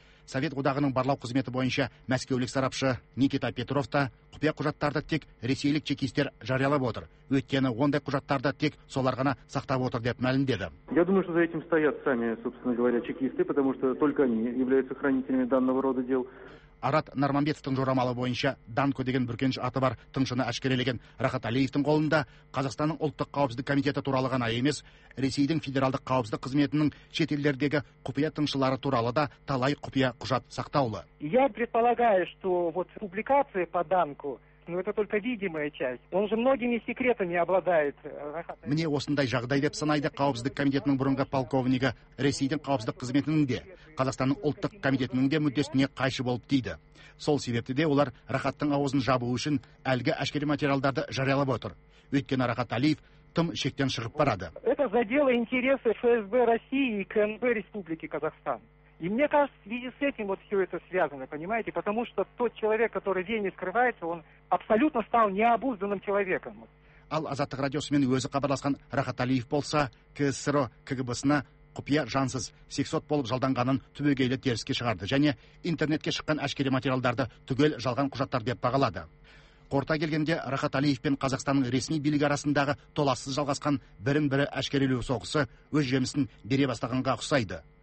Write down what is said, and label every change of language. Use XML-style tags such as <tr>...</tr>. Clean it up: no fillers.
<kk>Совет одағының барлау қызметі бойынша мәскеулік сарапшы Никита Петров та құпия құжаттарды тек ресейлік чекистер жариялап отыр. Өйткені ондай құжаттарды тек солар ғана сақтап отыр деп мәлімдеді.</kk> <ru>Я думаю, что за этим стоят сами, собственно говоря, чекисты, потому что только они являются хранителями данного рода дел.</ru> <kk>Арат Нарманбетовтың жорамалы бойынша Данко деген бүркенші аты бар тыңшыны әшкерелеген Рахат Алиевтің қолында Қазақстанның ұлттық қауіпсіздік комитеті туралы ғана емес, Ресейдің федералдық қауіпсіздік қызметінің шетелдердегі құпия тыңшылары туралы да талай құпия құжат сақтаулы.</kk> <ru>Я предполагаю, что вот публикация по Данко, но это только видимая часть. Он же многими секретами обладает.</ru> <kk>Міне осындай жағдай деп санайды қауіпсіздік комитетінің бұрынғы полковнигі, Ресейдің қауіпсіздік қызметінің де Қазақстанның ұлттық комитетінің де мүддесіне қайшы болып дейді. Сол себепті де олар Рахаттың аузын жабу үшін әлгі әшкере материалдарды жариялап отыр. Өйткені Рахат Алиев тым шектен шығып барады.</kk> <ru>Это задело интересы ФСБ России и КНБ Республики Казахстан. И мне кажется, в связи с этим вот все это связано, понимаете? Потому что тот человек, который день не скрывается, он абсолютно стал необузданным человеком.</ru> <kk>Ал Азаттық радиосымен өзі қабарласқан Рахат Алиев болса, КСРО КГБ-сына құпия жансыз, сексот болып жалданғанын түбегейлі теріске шығарды. Және интернетке шыққан әшкере материалдарды түгел жалған құжаттар деп бағалады. Қорта келгенде Рахат Алиев пен Қазақстанның ресми билігі арасындағы толассыз жалғасқан бірін-бірі әшкерелеу соғысы өз жемісін бере бастағанға ұқсайды.</kk>